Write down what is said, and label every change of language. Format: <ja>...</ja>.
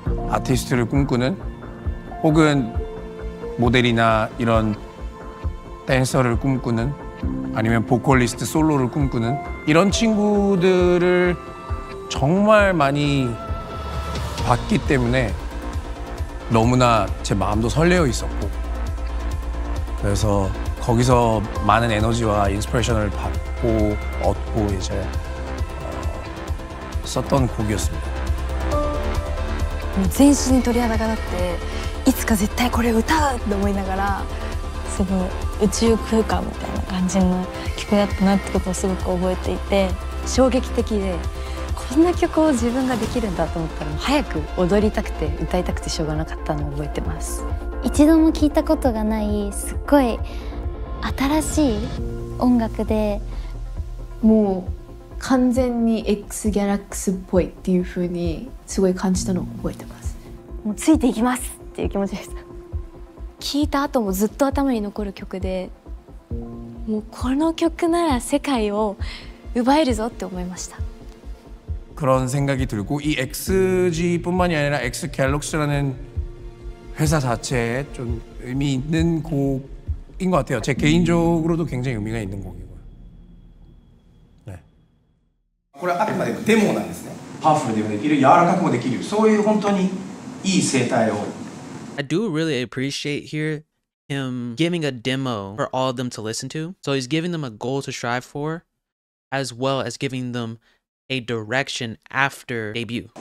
<ko>아티스트를 꿈꾸는 혹은 모델이나 이런 댄서를 꿈꾸는 아니면 보컬리스트 솔로를 꿈꾸는 이런 친구들을 정말 많이 봤기 때문에 너무나 제 마음도 설레어 있었고 그래서 거기서 많은 에너지와 인스피레이션을 받고 얻고 이제 썼던 곡이었습니다.</ko> <ja>全身に鳥肌が立っていつか絶対これ歌うって思いながらすごい宇宙空間みたいな感じの曲だったなってことをすごく覚えていて衝撃的でこんな曲を自分ができるんだと思ったら早く踊りたくて歌いたくてしょうがなかったのを覚えてます。一度も聴いたことがないすっごい新しい音楽でもう完全に X ギャラックスっぽいっていう風にすごい感じたのを覚えてます。もうついていきますっていう気持ちです。聴いた後もずっと頭に残る曲でもうこの曲なら世界を奪えるぞって思いました。</ja> <ko>그런생각이들고이 XG 뿐만이아니라 X 갤럭시라는회사자체에좀의미있는곡인것같아요제개인적으로도굉장히의미가있는곡이고 요、네、</ko> <ja>これはあくまでもデモなんですね。パワフルでもできる、柔らかくもできる、そういう本当にいい声帯を。</ja> <en>I do really appreciate here him giving a demo for all of them to listen to. So he's giving them a goal to strive for, as well as giving them a direction after debut.</en>